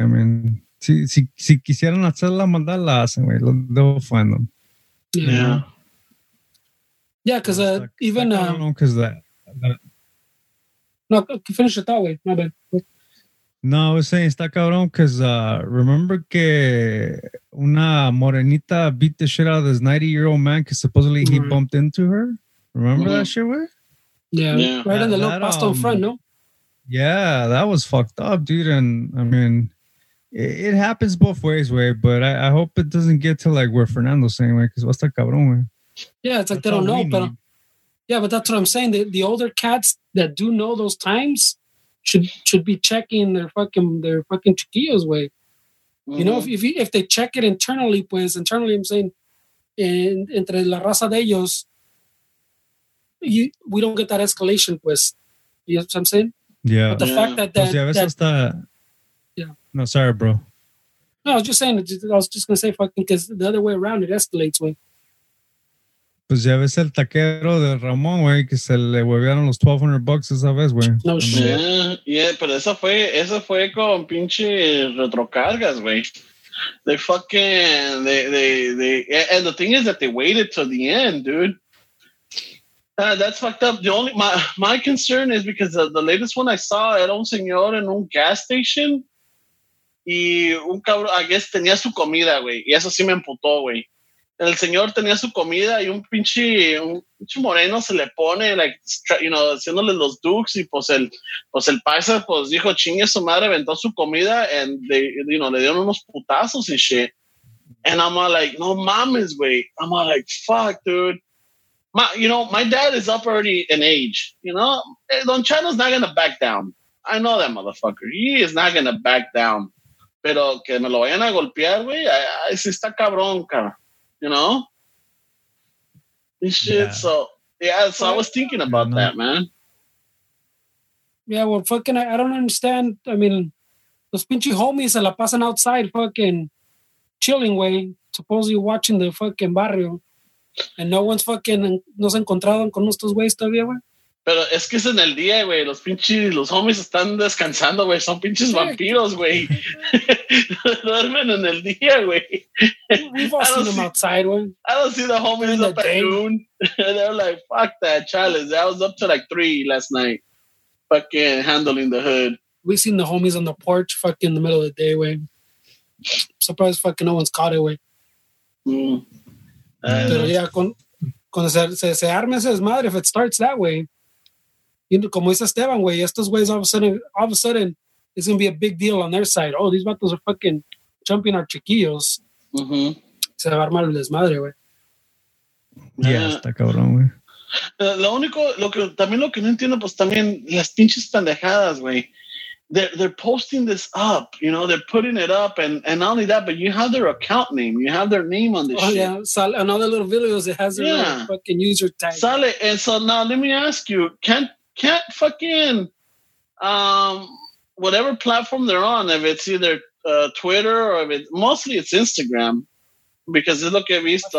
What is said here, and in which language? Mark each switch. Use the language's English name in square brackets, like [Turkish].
[English] I mean, [Spanish] si quisieran hacer la maldad, la hacen, güey. [English] They'll find them. Yeah, because even I don't know, because that no, finish it that way. My bad. No, I was saying, [Spanish] está cabrón, [English] because remember [Spanish] que una morenita [English] beat the shit out of this 90-year-old man because supposedly he bumped into her? Remember that shit, Yeah. Right on the little pasto front, no? Yeah, that was fucked up, dude. And, I mean, it happens both ways, way, but I hope it doesn't get to, like, where Fernando's saying, way, because what's that cabrón, way? Yeah, it's like that's they don't know, but... Yeah, but that's what I'm saying. The older cats that do know those times... Should be checking their fucking chiquillos, way. You know, if they check it internally, pues, internally, I'm saying, [Spanish] entre la raza de ellos, [English] we don't get that escalation, pues. You know what I'm saying? Yeah. But the fact that that... No, sorry, bro. No, I was just saying, I was just going to say, because the other way around, it escalates, güey. [Spanish] Pues ya ves el taquero de Ramón, güey, que se le huevearon los $1,200 esa vez, güey. [English] No, shit. [Spanish] Yeah, pero eso fue con pinche retrocargas, güey. [English] And the thing is that they waited till the end, dude. That's fucked up. The only my concern is because the latest one I saw [Spanish] era un señor en un [English] gas station y un cabrón, I guess, [Spanish] tenía su comida, güey. Y eso sí me emputó, güey. El señor tenía su comida y un pinche moreno se le pone, like, you know, haciéndole los dukes y pues el paisa pues dijo chingue su madre, aventó su comida [English] and they, you know, [Spanish] le dieron unos putazos y shit. [English] And I'm all like, no mames, güey. I'm all like, fuck, dude. My dad is up already in age, you know? Don Chano's not going to back down. I know that motherfucker. He is not going to back down. [Spanish] Pero que me lo vayan a golpear, güey, si está cabrón, cara. [English] You know? So I was thinking about that, man. Yeah, well, fucking, I don't understand. I mean, los pinche homies [Spanish] se la pasan [English] outside fucking chilling, güey. Supposedly watching the fucking barrio. And no one's fucking, [Spanish] no se encontraron con estos güeyes todavía, güey. Pero es que es en el día, güey. Los homies están descansando, güey. Son pinches vampiros, güey. Duermen en el día, güey. [English] We've all seen them outside, güey. I don't see the homies in up at noon. They're like, fuck that, Charles. I was up to like 3 last night. Fucking handling the hood. We've seen the homies on the porch fucking in the middle of the day, güey. Surprised fucking no one's caught it, güey. [Spanish] Pero ya cuando se arme ese desmadre, [English] if it starts that way, you know, [Spanish] como dice Esteban, güey, estos güeyes [English] all of a sudden, it's going to be a big deal on their side. Oh, these vatos are fucking jumping our chiquillos. Mm-hmm. [Spanish] Se va a armar el desmadre, güey. Ya, yeah, está cabrón, güey. Lo que no entiendo, pues también las pinches pendejadas, güey. [English] They're posting this up, you know, they're putting it up and not only that, but you have their account name. You have their name on this shit. Oh, yeah. [Spanish] Sale [English] another little videos. It has their fucking user tag. [Spanish] Sale. [English] And so now let me ask you, can't fucking whatever platform they're on, if it's either Twitter or if it's mostly it's Instagram, because it's [Spanish] lo que he visto.